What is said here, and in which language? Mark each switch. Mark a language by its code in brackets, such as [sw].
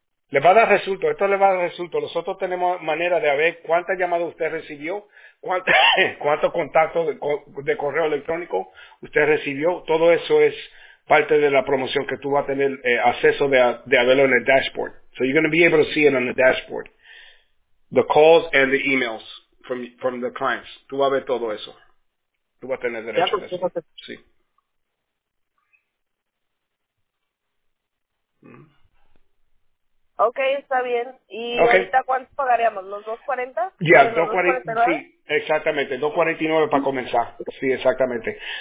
[es] Le va a dar resulto, esto le va a dar resulto. Nosotros tenemos manera de ver cuántas llamadas usted recibió, cuántos contactos de correo electrónico usted recibió. Todo eso es parte de la promoción que tú vas a tener acceso de haberlo en el dashboard. [en] So you're going to be able to see it on the dashboard. The calls and the emails from the clients. [es] Tú vas a ver todo eso. Tú vas a tener derecho a eso. Sí. Okay, está bien. ¿Y ahorita cuánto pagaríamos? ¿Los 240? Ya, 240, sí, exactamente. 249 para comenzar. Sí, exactamente.